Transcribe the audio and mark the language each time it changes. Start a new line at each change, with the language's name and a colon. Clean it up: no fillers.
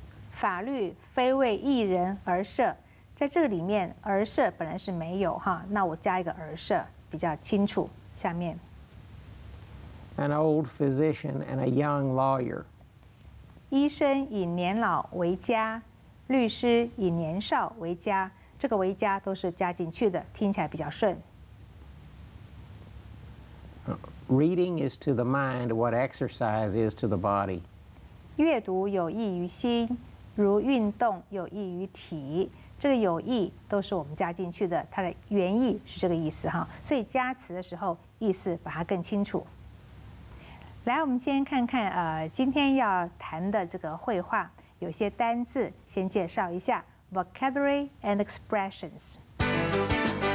Chinese: 法律非为一人而设，在这个里面，而设本来是没有哈，那我加一个而设比较清楚。下面
English: ，An old physician and a young lawyer，
Chinese: 医生以年老为佳，律师以年少为佳，这个为佳都是加进去的，听起来比较顺。
English: Reading is to the mind what exercise is to the body，
Chinese: 阅读有益于心。如运动有益于体，这个有益都是我们加进去的，它的原意是这个意思哈。所以加词的时候，意思把它更清楚。来，我们先看看今天要谈的这个绘画，有些单字先介绍一下 ，
English: vocabulary and expressions。